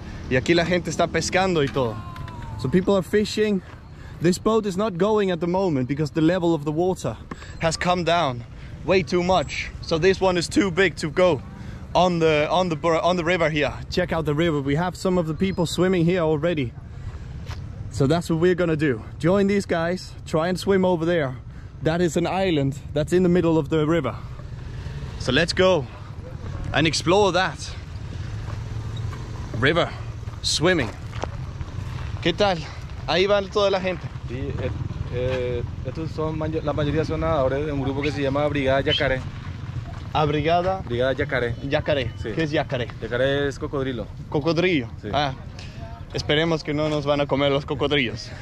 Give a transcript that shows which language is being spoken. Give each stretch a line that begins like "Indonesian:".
Spanish: Y aquí la gente está pescando y todo.
English: So people are fishing. This boat is not going at the moment because the level of the water has come down way too much. So this one is too big to go on the river here. Check out the river. We have some of the people swimming here already. So that's what we're gonna do. Join these guys, try and swim over there. That is an island that's in the middle of the river. So let's go and explore that river swimming.
Spanish: ¿Qué tal? Ahí va toda la gente. Sí, estos son, la mayoría son nadadores de un grupo que se llama Brigada Yacaré. ¿A Brigada? Brigada Yacaré. Yacaré, sí. ¿Qué es Yacaré? Yacaré es cocodrilo. ¿Cocodrillo? Sí. Ah, esperemos que no nos van a comer los cocodrillos.